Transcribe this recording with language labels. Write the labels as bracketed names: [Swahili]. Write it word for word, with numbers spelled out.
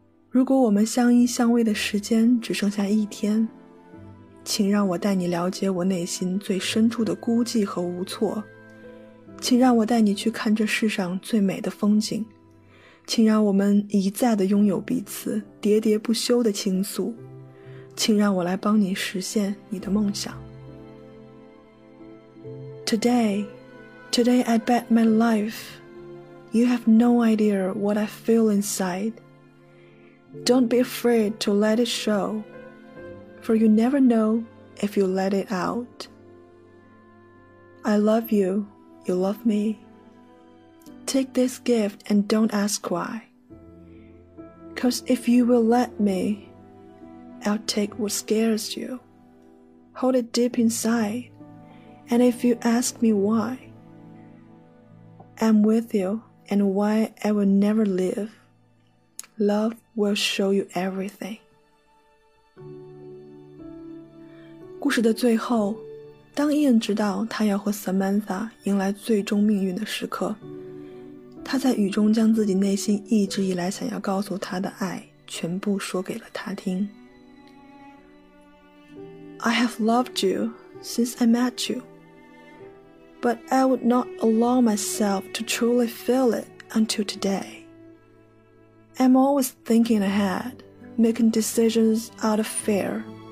[Chinese] 如果我们相依相偎的时间只剩下一天，请让我带你了解我内心最深处的孤寂和无措，请让我带你去看这世上最美的风景，请让我们一再地拥有彼此，喋喋不休的倾诉，请让我来帮你实现你的梦想。 [English] Today, today I bet my life. You have no idea what I feel inside. Don't be afraid to let it show, for you never know if you let it out. I love you, you love me. Take this gift and don't ask why. 'Cause if you will let me, I'll take what scares you. Hold it deep inside, and if you ask me why, I'm with you and why I will never leave. Love will show you everything. [Chinese] 故事的最后，当伊恩知道他要和 Samantha 迎来最终命运的时刻，他在雨中将自己内心一直以来想要告诉他的爱全部说给了他听。 [English] I have loved you since I met you, but I would not allow myself to truly feel it until today. I'm always thinking ahead, making decisions out of fear.